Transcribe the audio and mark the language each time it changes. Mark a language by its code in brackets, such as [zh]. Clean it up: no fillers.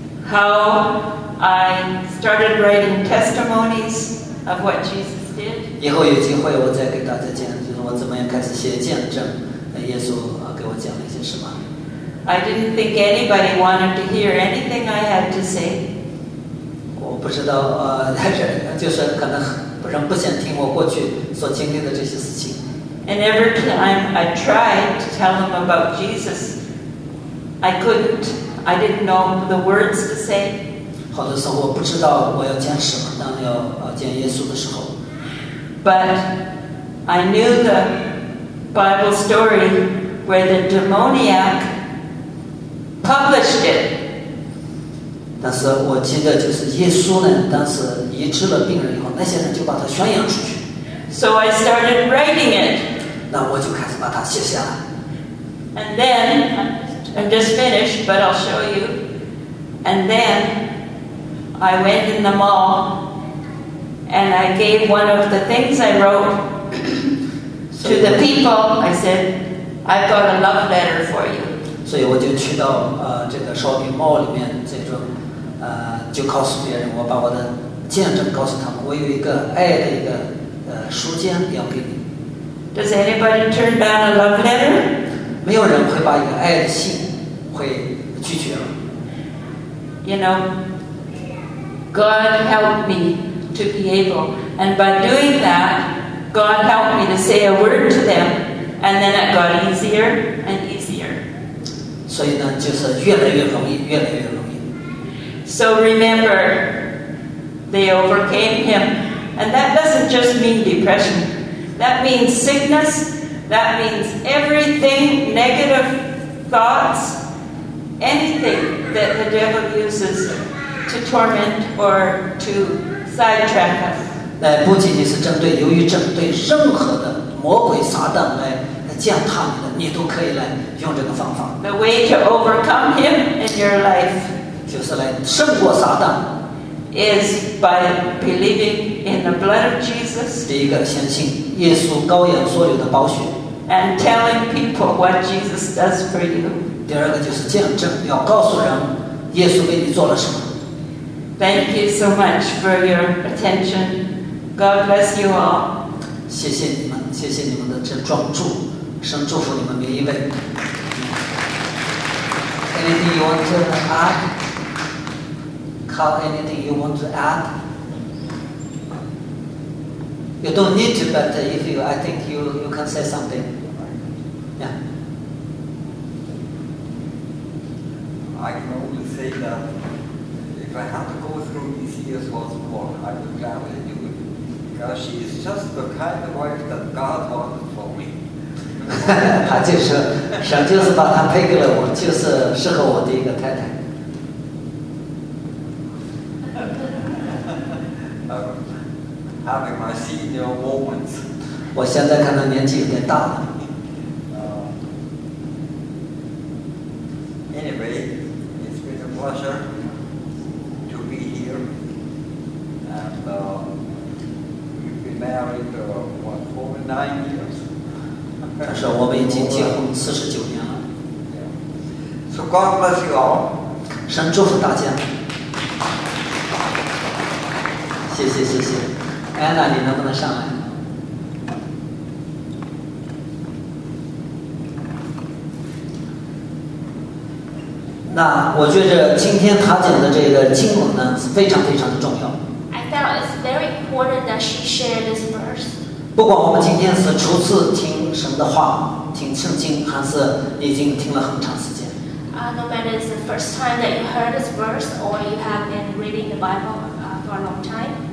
[en] How I started writing testimonies of what Jesus did. [zh] 以后有机会我再给大家讲，就是我怎么样开始写见证，耶稣给我讲了一些什么。 [en] I didn't think anybody wanted to hear anything I had to say. [zh] 我不知道，就是可能人不想听我过去所经历的这些事情。 [en] And every time I tried to tell them about Jesus, I couldn't. I didn't know the words to say. [zh] 好多时候我不知道我要讲什么，当要讲耶稣的时候。 [en] But I knew the Bible story where the demoniac published it. [zh] 但是我记得就是耶稣呢，当时医治了病人以后，那些人就把它宣扬出去。 [en] So I started writing it. [zh] 那我就开始把它写下来。 [en] And then, I'm just finished, but I'll show you. And then, I went in the mall, and I gave one of the things I wrote to the people. I said, I've got a love letter for you. [zh] 所以我就去到这个 shopping mall 里面这种。就告诉别人，我把我的见证告诉他们，我有一个爱的一个书签要给你。 [en] Does anybody turn down a love letter? [zh] 没有人会把一个爱的信会拒绝了。 [en] You know, God helped me to be able, and by doing that, God helped me to say a word to them, and then it got easier and easier. [zh] 所以呢，就是越来越容易，越来越容易。 [en] So remember, they overcame him. And that doesn't just mean depression. That means sickness. That means everything, negative thoughts, anything that the devil uses to torment or to sidetrack us. [zh] 那不仅仅是针对忧郁症，对任何的魔鬼撒旦来践踏你的，你都可以来用这个方法。 [en] The way to overcome him in your life. [zh] 就是来胜过撒旦 [en] is by believing in the blood of Jesus. [zh] 第一个相信耶稣羔羊所流的宝血 [en] and telling people what Jesus does for you. [zh] 第二个就是见证，要告诉人耶稣为你做了什么。 [en] Thank you so much for your attention. God bless you all. [zh] 谢谢你们，谢谢你们的这专注，神祝福你们每一位。 [en] Anything you want to add? Anything you want to add? You don't need to, but if you, I think you can say something. Yeah. I can only say that if I have to go through these years once more, I would gladly do it. Because she is just the kind of wife that God wanted for me. [zh] 他就是，神就是把她配给了我，就是适合我的一个太太。 [en] Having my senior moments. [zh] 我现在看到年纪有点大了。 [en] Anyway, it's been a pleasure to be here. And we've been married for 9 years. [zh] 但是我们已经结婚49年了。 [en] So God bless you all. [zh] 神祝福大家。谢谢谢谢。安娜，你能不能上来？那我觉得今天他讲的这个经文呢是非常非常的重要。 [en] I felt it's very important that she shared this verse. [zh] 不管我们今天是初次听神的话，听圣经，还是已经听了很长时间。 [en] No matter it's the first time that you heard this verse or you have been reading the Bible for a long time.